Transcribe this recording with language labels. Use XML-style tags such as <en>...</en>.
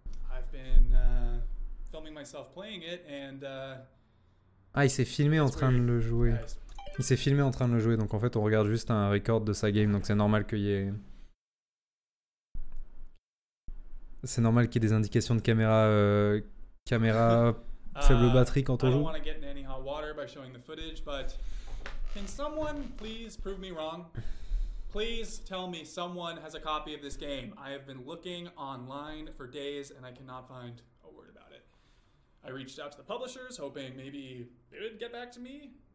<en>I've been filming myself playing it and</en> <fr>Ah, il s'est filmé en train de le jouer. Il s'est filmé en train de le jouer, donc en fait on regarde juste un record de sa game, donc c'est normal qu'il y ait... C'est normal qu'il y ait des indications de caméra, caméra faible batterie quand on joue.</fr> <en>I don't want to get in any hot water by showing the footage, but can someone please prove me wrong? Please tell me someone has a copy of this game. I have been looking online for days and I cannot find a word about it. I reached out to the publishers hoping maybe they would get back to me.</en>